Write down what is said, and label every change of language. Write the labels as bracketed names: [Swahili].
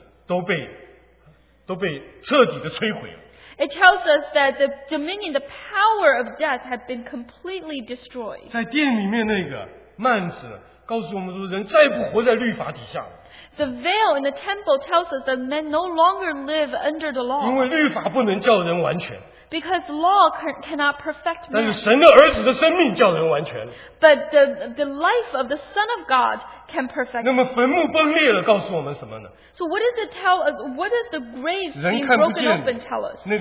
[Chinese] 这告诉我们说死亡和阴府的权势呢,都被彻底的摧毁了。 [English] It tells us that the dominion, the power of death had been completely destroyed. [Chinese] 在殿里面那个幔子告诉我们说人再不活在律法底下。 [English] The veil in the temple tells us that men no longer live under the law. [Chinese] 因为律法不能叫人完全。 [English] Because law cannot perfect man. [Chinese] 但是神的儿子的生命叫人完全。 [English] But the life of the Son of God can perfect [Chinese] 那么坟墓崩裂了告诉我们什么呢? [English] So what does it tell us? What does the graves being broken open tell us?